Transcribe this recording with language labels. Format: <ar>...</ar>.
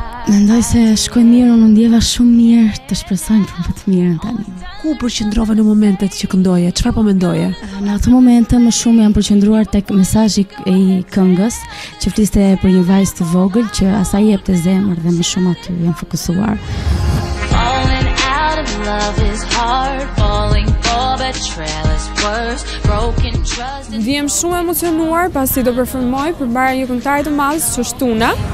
<sq>Mendoj se shkoj mirë, unë ndjeva shumë mirë, të shpresojmë për më të mirë në tani. Ku përqendrova në momentet që këndoje, çfarë po mendoje? Në atë momente më shumë jam përqendruar tek mesazhi i këngës, që fliste për një vajzë të vogël që asaj i jepte zemër dhe më shumë aty jam fokusuar.</sq> <en>Falling out of love is hard, falling for betrayal is worse, broken trust.</en> <sq>Ndjehem shumë emocionuar pasi do performoj përpara një këngëtare të madh që është Tuna.</sq>